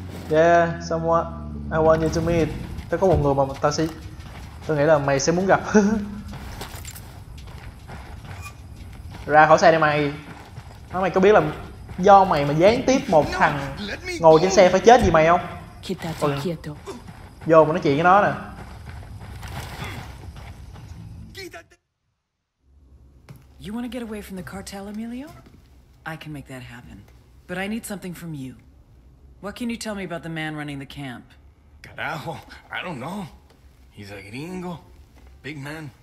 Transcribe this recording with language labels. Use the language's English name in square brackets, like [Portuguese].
[English] Yeah, someone I want you to meet. [Vietnamese] Tao có một người mà tao sẽ, tao nghĩ là mày sẽ muốn gặp. Ra khỏi xe đi mày. Nói mày có biết là do mày mà gián tiếp một thằng ngồi trên xe phải chết gì mày không? Kitato. Vô mà nói chuyện với nó nè. [English] You want to get away from the cartel, Emilio? I can make that happen. But I need something from you. What can you tell me about the man running the camp? Carajo, I don't know. He's a gringo. Big man.